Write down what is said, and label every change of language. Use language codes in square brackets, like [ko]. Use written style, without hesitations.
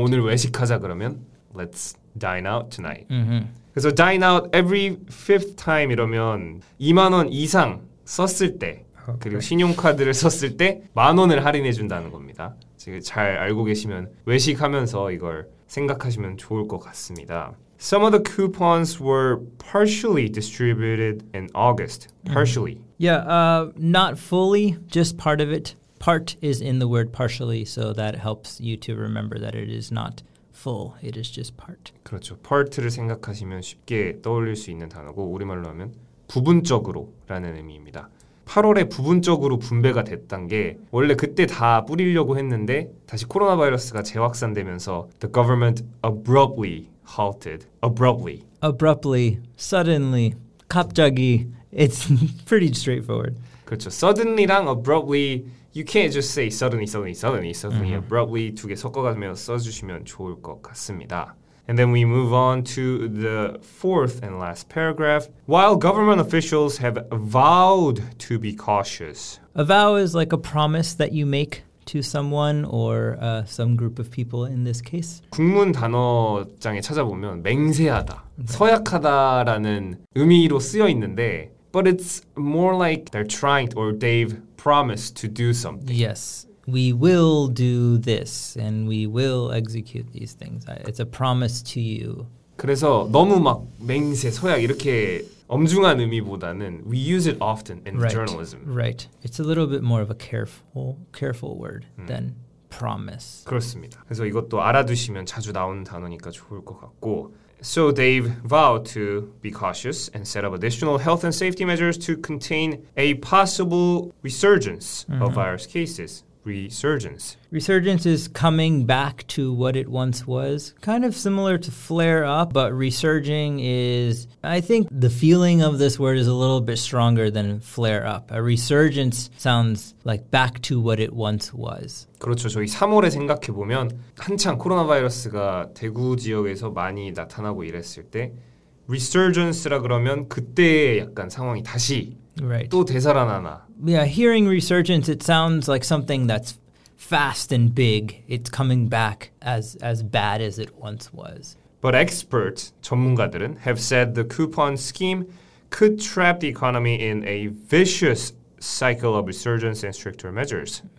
[ko] 오늘 외식하자 그러면 [en] let's dine out tonight. Mm-hmm. [ko] 그래서 [en] dine out every fifth time [ko] 이러면 2만 원 이상 썼을 때 그리고 신용카드를 썼을 때 만 원을 할인해 준다는 겁니다. 지금 잘 알고 계시면 외식하면서 이걸 생각하시면 좋을 것 같습니다. [en] Some of the coupons were partially distributed in August. Partially. Mm. Yeah, not fully, just part of it. Part is in the word partially, so that helps you to remember that it is not full. It is just part. [ko] 그렇죠. Part를 생각하시면 쉽게 떠올릴 수 있는 단어고 우리말로 하면 부분적으로라는 의미입니다. 8월에 부분적으로 분배가 됐던 게 원래 그때 다 뿌리려고 했는데 다시 코로나 바이러스가 재확산되면서 [en] the government abruptly halted. Abruptly. Abruptly. Suddenly. 갑자기. It's pretty straightforward. [ko] 그렇죠. [en] Suddenly랑 abruptly. You can't just say suddenly, suddenly, suddenly. Suddenly, mm-hmm. abruptly. [ko] 두 개 섞어가며 써주시면 좋을 것 같습니다. [en] And then we move on to the fourth and last paragraph. While government officials have vowed to be cautious. A vow is like a promise that you make to someone or some group of people in this case. [ko] 국문 단어장에 찾아보면 맹세하다, 서약하다라는 의미로 쓰여 있는데, [en] but it's more like they're trying to, or they've promised to do something. Yes, we will do this and we will execute these things. It's a promise to you. [ko] 그래서 너무 막 맹세, 서약 이렇게 엄중한 의미보다는 [en] we use it often in right, journalism. Right. It's a little bit more of a careful word than promise. [ko] 그렇습니다. 그래서 이것도 알아두시면 자주 나오는 단어니까 좋을 것 같고. [en] So they've vowed to be cautious and set up additional health and safety measures to contain a possible resurgence of virus cases. Resurgence. Resurgence is coming back to what it once was. Kind of similar to flare up, but resurging is, I think the feeling of this word is a little bit stronger than flare up. A resurgence sounds like back to what it once was. [ko] 그렇죠. 저희 3월에 생각해 보면 한창 코로나 바이러스가 대구 지역에서 많이 나타나고 이랬을 때 resurgence라 그러면 그때의 약간 상황이 다시 [en] right. [ko] 또 되살아나나. [en] Yeah, hearing resurgence, it sounds like something that's fast and big. It's coming back as bad as it once was. But experts, 전문가들은, have said the coupon scheme could trap the economy in a vicious cycle of resurgence and stricter measures.